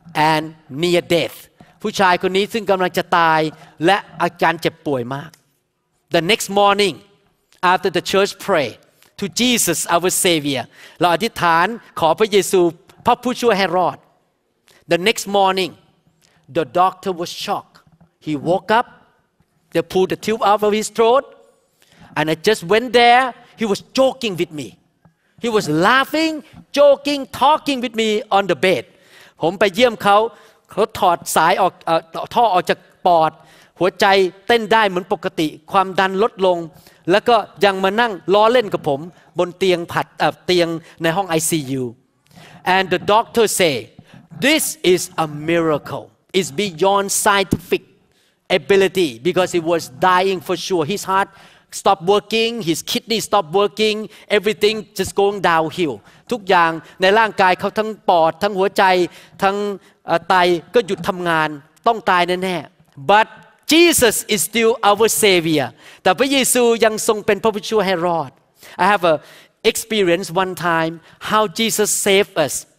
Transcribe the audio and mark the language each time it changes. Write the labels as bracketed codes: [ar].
[en] and near death [th] ผู้ชายคนนี้ซึ่งกำลังจะตายและอาการเจ็บป่วยมาก [en] the next morning after the church pray to Jesus our savior [th] เราอธิษฐานขอพระเยซูพระผู้ช่วยให้รอด [en] the next morning the doctor was shocked he woke upThey pulled the tube out of his throat. And I just went there. He was joking with me. He was laughing, joking, talking with me on the bed. [th] ผมไปเยี่ยมเขาเขาถอดสายออกท่อออกจากปอดหัวใจเต้นได้เหมือนปกติความดันลดลงแล้วก็ยังมานั่งล้อเล่นกับผมบนเตียงผัดเตียงในห้อง ICU. [en] And the doctor say, this is a miracle. It's beyond scientificability because he was dying for sure his heart stopped working his kidney stopped working everything just going downhill [th] ทุกอย่างในร่างกายเขาทั้งปอดทั้งหัวใจทั้งไตก็หยุดทำงานต้องตายแน่ๆ [en] but Jesus is still our savior [th] แต่พระเยซูยังทรงเป็นพระผู้ช่วยให้รอด [en] I have a experience one time how Jesus saved us